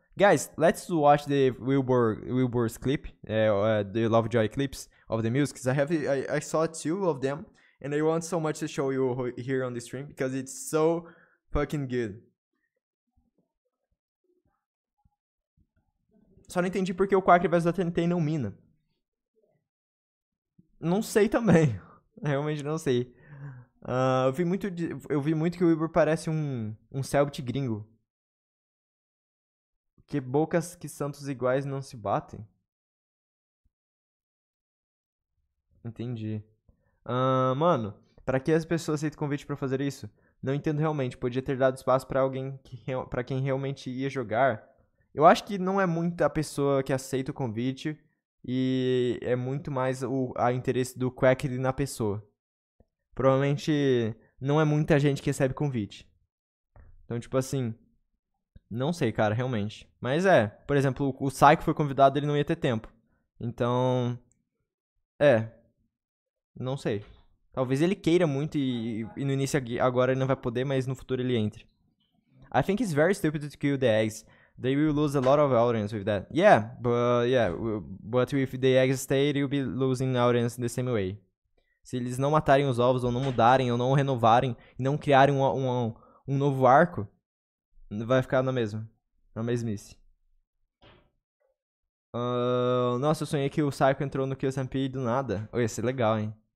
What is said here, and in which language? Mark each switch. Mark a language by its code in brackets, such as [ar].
[en] Guys, let's watch the Wilbur's clip, the Lovejoy clips of the music. I saw two of them, and I want so much to show you here on the stream because it's so fucking good. [pt] Só não entendi porque o Quack vs da TNT não mina. Não sei também. Realmente não sei. Eu vi muito que o Wilbur parece um Celtic gringo. Que bocas que santos iguais não se batem. Entendi. Mano, pra que as pessoas aceitam o convite pra fazer isso? Não entendo realmente. Podia ter dado espaço pra alguém pra quem realmente ia jogar. Eu acho que não é muito a pessoa que aceita o convite. E é muito mais o interesse do Quack na pessoa. Provavelmente não é muita gente que recebe convite. Então, tipo assim. Não sei, cara, realmente. Mas é. Por exemplo, o Psycho foi convidado, ele não ia ter tempo. Então. É. Não sei. Talvez ele queira muito e no início agora ele não vai poder, mas no futuro ele entre. [en] I think it's very stupid to kill the eggs. They will lose a lot of audience with that. Yeah, but if the eggs stay, you'll be losing audience in the same way. [pt] Se eles não matarem os ovos, ou não mudarem, ou não renovarem, e não criarem um novo arco, vai ficar na mesma. Na mesmice. Nossa, eu sonhei que o Psycho entrou no QSMP do nada. Oh, ia ser legal, hein?